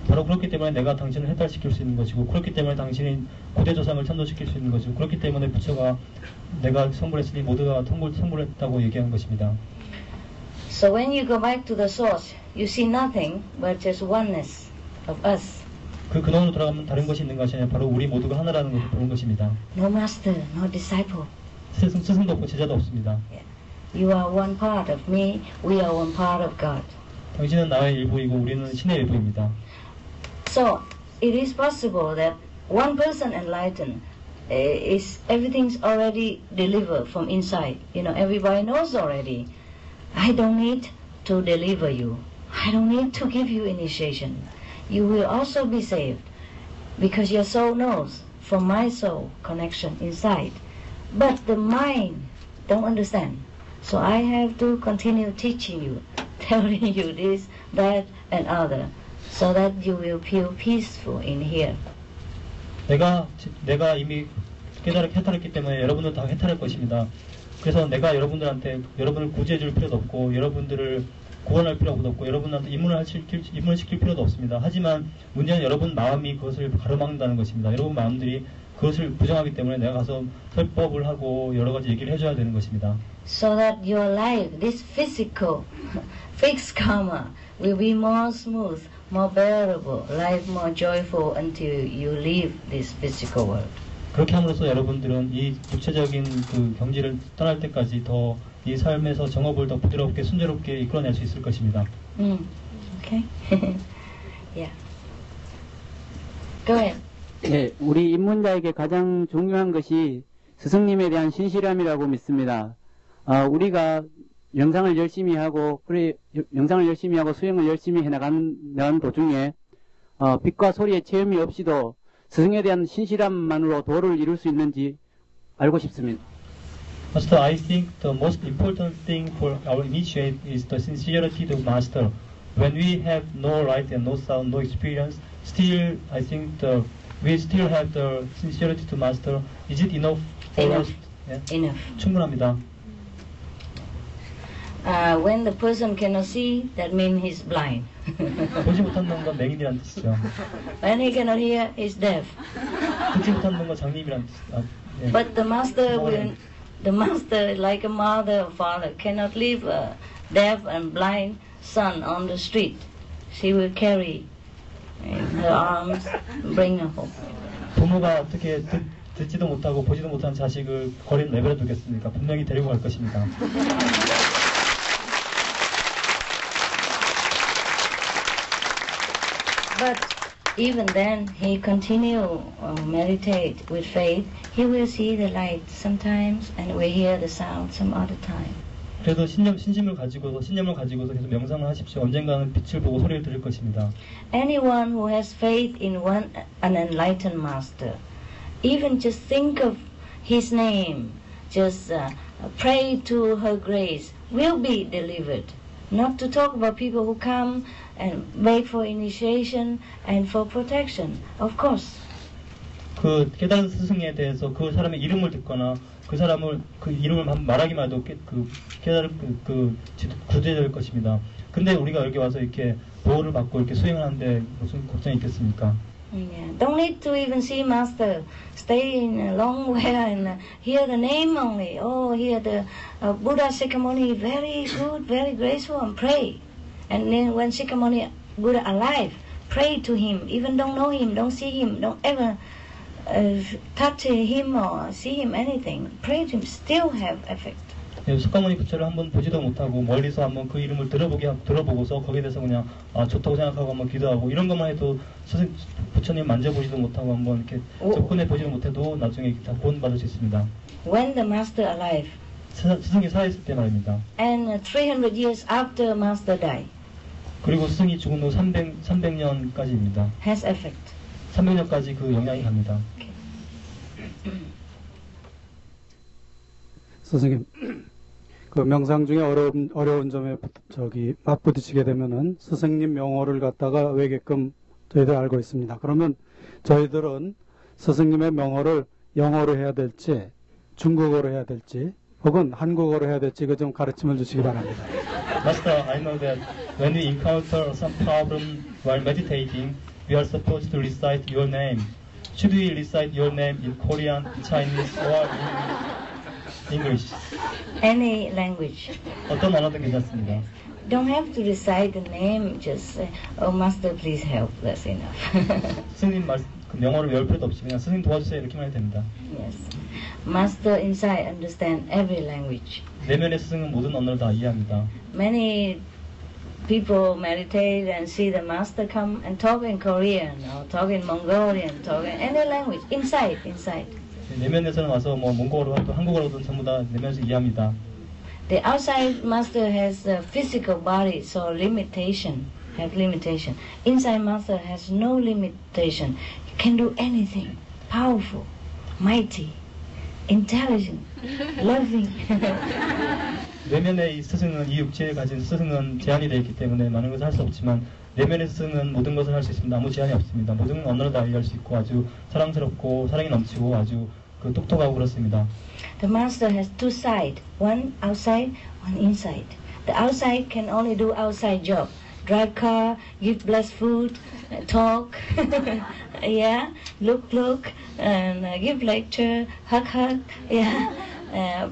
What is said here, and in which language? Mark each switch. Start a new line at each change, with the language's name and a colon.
Korean: 바로 그렇기 때문에 내가 당신을 해탈시킬 수 있는 것이고 그렇기 때문에 당신이 구대 조상을 참조시킬 수 있는 것이고 그렇기 때문에 부처가 내가 성불했으니 모두가 성불했다고 얘기한 것입니다.
English: So when you go back to the source, you see nothing but just oneness of us.
Korean: 그 근원으로 돌아가면 다른 것이 있는 것이 아니라 바로 우리 모두가 하나라는 것을 보는 것입니다.
English: No master, no disciple.
Korean: 스승도 없고 제자도 없습니다.
English: You are one part of me, we are one part of God.
Korean: 당신은 나의 일부이고 우리는 신의 일부입니다.
English: So it is possible that one person enlightened is everything's already delivered from inside. You know, everybody knows already. I don't need to deliver you. I don't need to give you initiation. You will also be saved because your soul knows from my soul connection inside. But the mind don't understand. So I have to continue teaching you, telling you this, that, and other so that you will feel peaceful in here.
Korean: 내가 이미 해탈했기 때문에 여러분들 다 해탈할 것입니다. 그래서 내가 여러분들한테 여러분을 구제해 줄 필요도 없고 여러분들을 구원할 필요도 없고 여러분한테 입문을 시킬 필요도 없습니다. 하지만 문제는 여러분 마음이 그것을 가로막는다는 것입니다. 여러분 마음들이 그것을 부정하기 때문에 내가 가서 설법을 하고 여러 가지 얘기를 해줘야 되는 것입니다.
English: So that your life, this physical fixed karma will be more smooth, more bearable, life more joyful until you leave this physical world.
Korean: 그렇게 함으로써 여러분들은 이 구체적인 그 경지를 떠날 때까지 더 이 삶에서 정업을 더 부드럽게 순조롭게 이끌어낼 수 있을 것입니다. 오케이. 예. 그러면 네, 우리 입문자에게 가장 중요한 것이 스승님에 대한 신실함이라고 믿습니다. 아, 우리가 명상을 열심히 하고 그래 명상을 열심히 하고 수행을 열심히 해나가는 도중에 빛과 소리의 체험이 없이도 스승에 대한 신실함만으로 도를 이룰 수 있는지 알고 싶습니다.
English: Master, I think the most important thing for our initiate is the sincerity to master. When we have no light and no sound, no experience, still I think the, we still have the sincerity to master. Is it enough for enough. Us? Yeah? Enough.
Korean: 충분합니다.
English: When the person cannot see, that means he's blind.
Korean: 보지 못한 놈과 맹인이란 뜻이죠.
English: When he cannot hear, he's deaf.
Korean: 듣지 못한 놈과 장님이란 뜻. 아, 예.
English: But the master, when the master like a mother or father cannot leave a deaf and blind son on the street, she will carry in her arms, bring her home.
Korean: 부모가 어떻게 듣지도 못하고 보지도 못한 자식을 거리에 내버려 두겠습니까? 분명히 데리고 갈 것입니다.
English: But even then, he continue meditate with faith. He will see the light sometimes, and will hear the sound some other time.
Korean: 그래도 신념을 가지고서 계속 명상을 하십시오. 언젠가는 빛을 보고 소리를 들을 것입니다.
English: Anyone who has faith in one an enlightened master, even just think of his name, just pray to her grace, will be delivered. Not to talk about people who come and make for initiation and for protection, of course.
Korean: 그 깨달은 스승에 대해서 그 사람의 이름을 듣거나 그 사람을 그 이름을 말하기만 해도 깨달은 그 구제될 것입니다. 근데 우리가 여기 와서 이렇게 보호를 받고 이렇게 수행을 하는데 무슨 걱정이 있겠습니까?
English: Yeah. Don't need to even see master. Stay in a long way and hear the name only. Oh, hear the Buddha Shakyamuni, very good, very graceful, and pray. And then when Shakyamuni Buddha alive, pray to him. Even don't know him, don't see him, don't ever touch him or see him anything. Pray to him, still have effect.
Korean: 예, 석가모니 부처를 한번 보지도 못하고 멀리서 한번 그 이름을 들어보고서 거기에 대해서 그냥 아, 좋다고 생각하고 한번 기도하고 이런 것만 해도 부처님 만져보지도 못하고 한번 이렇게 접근해 보지도 못해도 나중에 다 구원받을 수 있습니다.
English: When the master alive.
Korean: 스승이 살아있을 때 말입니다.
English: And 300 years after master die.
Korean: 그리고 스승이 죽은 후 300년까지입니다.
English: Has effect.
Korean: 300년까지 그 영향이 갑니다. 선생님, 그 명상 중에 어려운 점에 저기 맞부딪히게 되면은 스승님 명호를 갖다가 외계끔 저희들 알고 있습니다. 그러면 저희들은 스승님의 명호를 영어로 해야 될지 중국어로 해야 될지 혹은 한국어로 해야 될지 그 좀 가르침을 주시기 바랍니다.
English: Master, I know that when we encounter some problem while meditating, we are supposed to recite your name. Should we recite your name in Korean, Chinese, or in English? Any language.
Korean: 어떤 언어든 괜찮습니다.
English: Don't have to recite the name. Just say, Oh, Master, please help. That's enough.
Korean: 스님 말 그 명호를 열 필요도 없이 그냥 스님 도와주세요 이렇게만 해도 됩니다.
English: Yes, Master inside understand every language.
Korean: 내면의 스승은 모든 언어를 다 이해합니다.
English: Many people meditate and see the Master come and talk in Korean or talk in Mongolian, talk in any language inside.
Korean: 내면에서는 와서 뭐 몽골어로 또 한국어로든 전부 다 내면에서 이해합니다.
English: The outside master has a physical body, so limitation. Inside master has no limitation. He can do anything. Powerful, mighty, intelligent, loving.
Korean: 내면의 이 스승은 이 육체에 가진 스승은 제한이 되어 있기 때문에 많은 것을 할 수 없지만 내면의 스승은 모든 것을 할 수 있습니다. 아무 제한이 없습니다. 모든 언어로 다 이해할 수 있고 아주 사랑스럽고 사랑이 넘치고 아주 그 똑똑하고 그렇습니다.
English: The master has two sides, one outside, one inside. The outside can only do outside job, drive car, give blessed food, talk, yeah, look, and give lecture, hug, yeah.